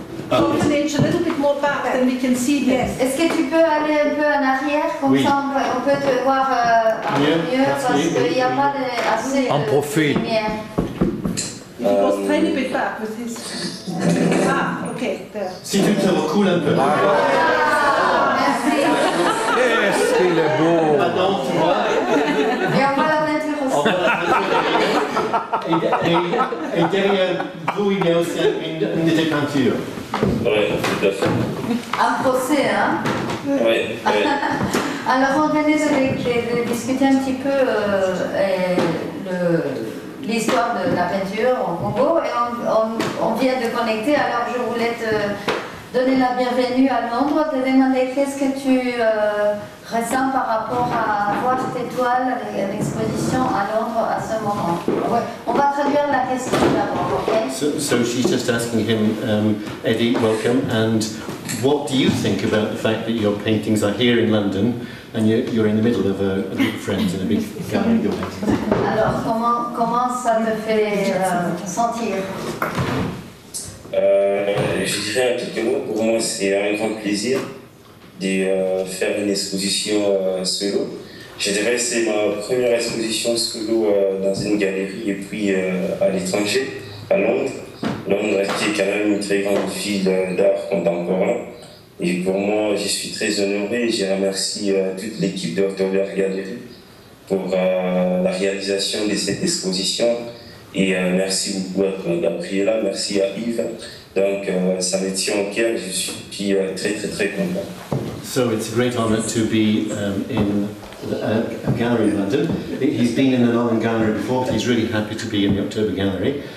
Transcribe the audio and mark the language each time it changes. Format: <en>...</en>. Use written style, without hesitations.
<en>Open inch a little bit more back, then we can see this.</en> <fr>Est-ce que tu peux aller un peu en arrière, comme ça on peut te voir mieux, parce qu'il n'y a pas de, assez en de profil. Lumière.</fr> <en>He goes a tiny bit back with his... okay, there.</en> <fr>Si tu te recoules un peu. Ah, merci.</fr> <en>Yes,</en> <fr>il est beau. Pardon, tu vois. Il n'y a pas la peinture aussi. Et derrière vous, il y a aussi une des peintures. Oui, tout à fait. Un procès, hein? Oui, oui. Alors, on venait de discuter un petit peu l'histoire de la peinture au Congo et on vient de connecter. Alors, je voulais te donner la bienvenue à Londres, te demander qu'est-ce que tu ressens par rapport à voir cette étoile avec l'exposition à Londres à ce moment. On va traduire la question d'abord.</fr> <en>So she's just asking him, Eddy, welcome, and what do you think about the fact that your paintings are here in London and you're in the middle of a big friend in a big gallery of your paintings?</en> <fr>Alors, comment ça me fait sentir? Je dirais un petit mot, pour moi c'est un grand plaisir de faire une exposition solo. Je dirais que c'est ma première exposition solo dans une galerie et puis à l'étranger. À Londres. Londres est quand même une très grande ville d'art contemporain. Et pour moi, je suis très honoré et je remercie toute l'équipe de Houghton Gallery pour la réalisation de cette exposition. Et merci beaucoup à Gabriela, merci à Yves. Donc, ça me tient au cœur, je suis très très très content.</fr> <en>So it's a great honor to be in a gallery in London. He's been in the London Gallery before, but he's really happy to be in the October Gallery.</en>